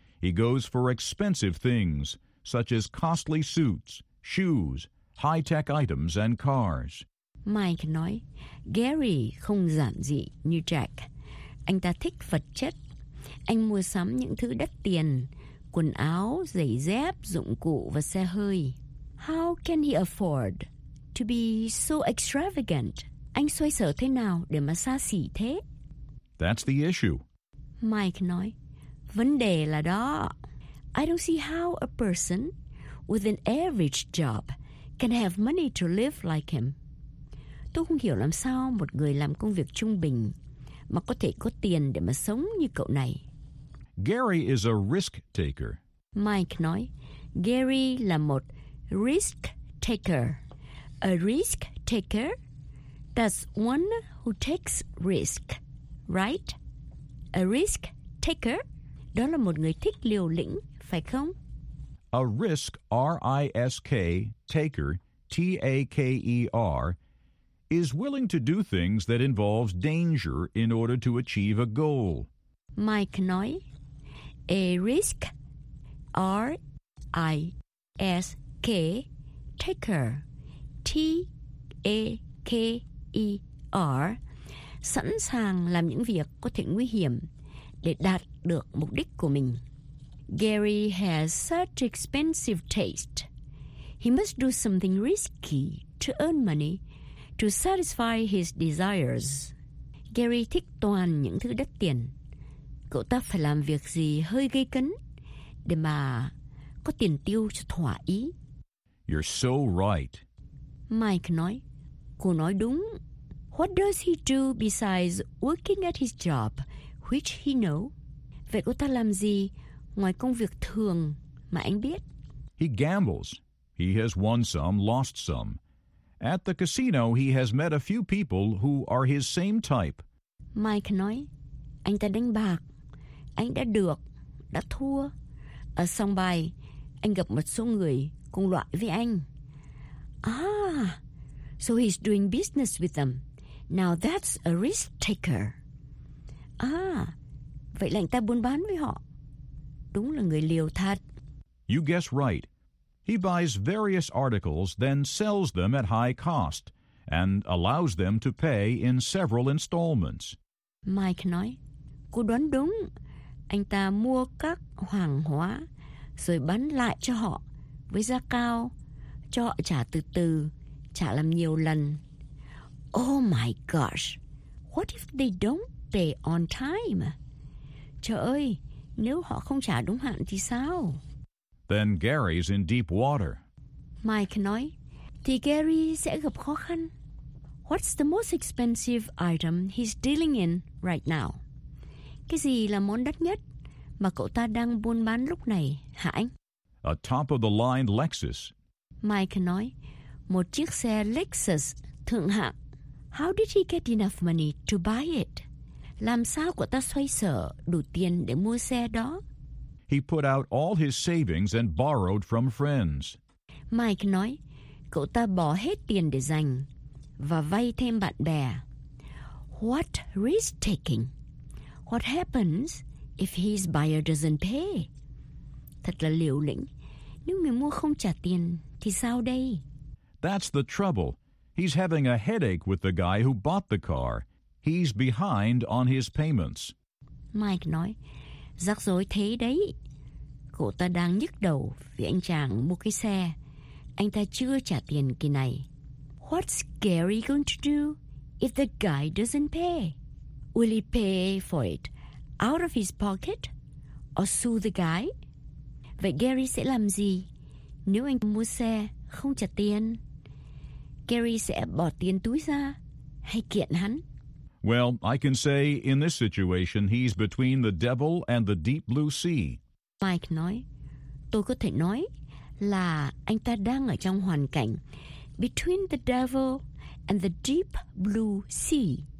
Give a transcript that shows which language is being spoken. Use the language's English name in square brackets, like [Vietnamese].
[English] He goes for expensive things, such as costly suits, shoes, high-tech items, and cars. [Vietnamese] Mike nói, Gary không giản dị như Jack. Anh ta thích vật chất. Anh mua sắm những thứ đắt tiền, quần áo, giày dép, dụng cụ và xe hơi. [English] How can he afford to be so extravagant? [Vietnamese] Anh xoay sở thế nào để mà xa xỉ thế? [English] That's the issue. [Vietnamese] Mike nói, vấn đề là đó. [English] I don't see how a person with an average job can have money to live like him. [Vietnamese] Tôi không hiểu làm sao một người làm công việc trung bình mà có thể có tiền để mà sống như cậu này. [English] Gary is a risk taker. [Vietnamese] Mike nói, Gary là một [English] risk taker. A risk taker, that's one who takes risk. Right? A risk taker? [Vietnamese] Đó là một người thích liều lĩnh, phải không? [English] A risk, R-I-S-K, taker, T-A-K-E-R, is willing to do things that involves danger in order to achieve a goal. [Vietnamese] Mike nói, [English] a risk, R-I-S-K, taker, T-A-K-E-R, [Vietnamese] sẵn sàng làm những việc có thể nguy hiểm để đạt được mục đích của mình. [English] Gary has such expensive taste. He must do something risky to earn money to satisfy his desires. [Vietnamese] Gary thích toàn những thứ đắt tiền. Cậu ta phải làm việc gì hơi gây cấn để mà có tiền tiêu cho thỏa ý. [English] You're so right. [Vietnamese] Mike nói, cô nói đúng. [English] What does he do besides working at his job, which he know? [Vietnamese] Vậy cô ta làm gì ngoài công việc thường mà anh biết? [English] He gambles. He has won some, lost some. At the casino, he has met a few people who are his same type. [Vietnamese] Mike nói, anh ta đánh bạc. Anh đã được, đã thua. Ở sòng bài, anh gặp một số người cùng loại với anh. [English] Ah, so he's doing business with them. Now that's a risk taker. [Vietnamese] Ah, vậy là anh ta buôn bán với họ. Đúng là người liều thật. [English] You guess right. He buys various articles, then sells them at high cost, and allows them to pay in several installments. [Vietnamese] Mike nói, cô đoán đúng. Anh ta mua các hàng hóa, rồi bán lại cho họ với giá cao, cho họ trả từ từ, trả làm nhiều lần. [English] Oh my gosh, what if they don't pay on time? [Vietnamese] Trời ơi, nếu họ không trả đúng hạn thì sao? [English] Then Gary's in deep water. [Vietnamese] Mike nói, thì Gary sẽ gặp khó khăn. [English] What's the most expensive item he's dealing in right now? [Vietnamese] Cái gì là món đắt nhất mà cậu ta đang buôn bán lúc này, hả anh? [English] A top-of-the-line Lexus. [Vietnamese] Mike nói, một chiếc xe Lexus thượng hạng. [English] How did he get enough money to buy it? [Vietnamese] Làm sao cậu ta xoay sở đủ tiền để mua xe đó? [English] He put out all his savings and borrowed from friends. [Vietnamese] Mike nói, cậu ta bỏ hết tiền để dành và vay thêm bạn bè. [English] What risk taking? What happens if his buyer doesn't pay? [Vietnamese] Thật là liều lĩnh. Nếu người mua không trả tiền, thì sao đây? [English] That's the trouble. He's having a headache with the guy who bought the car. He's behind on his payments. [Vietnamese] Mike nói, rắc rối thế đấy. Cậu ta đang nhức đầu vì anh chàng mua cái xe. Anh ta chưa trả tiền kỳ này. [English] What's Gary going to do if the guy doesn't pay? Will he pay for it out of his pocket or sue the guy? [Vietnamese] Vậy Gary sẽ làm gì nếu anh mua xe không trả tiền? Gary sẽ bỏ tiền túi ra hay kiện hắn? [English] Well, I can say in this situation he's between the devil and the deep blue sea. [Vietnamese] Mike nói, tôi có thể nói là anh ta đang ở trong hoàn cảnh [English] between the devil and the deep blue sea.